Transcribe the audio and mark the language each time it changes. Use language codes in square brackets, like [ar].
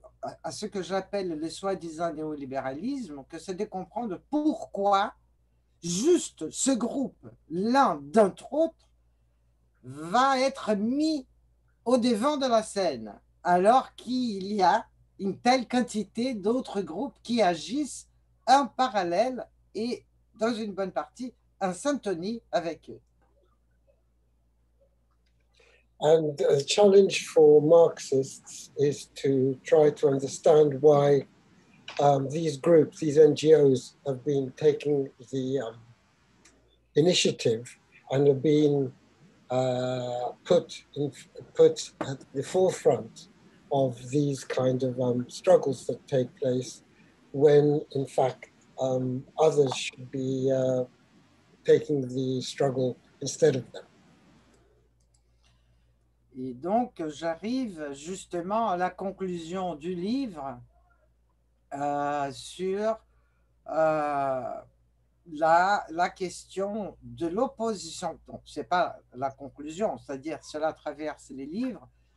[fr] à ce que j'appelle le soi-disant néolibéralisme que c'est de comprendre pourquoi juste ce groupe, l'un d'entre autres, va être mis au devant de la scène, alors qu'il y a une telle quantité d'autres groupes qui agissent en parallèle et, dans une bonne partie, en syntonie avec eux. [en] And the challenge for Marxists is to try to understand why these groups, these NGOs, have been taking the initiative and have been put at the forefront of these kind of struggles that take place, when in fact others should be taking the struggle instead of them. [fr] Et donc, j'arrive justement à la conclusion du livre sur la question de l'opposition. Donc, ce n'est pas la conclusion, c'est-à-dire cela traverse les livres.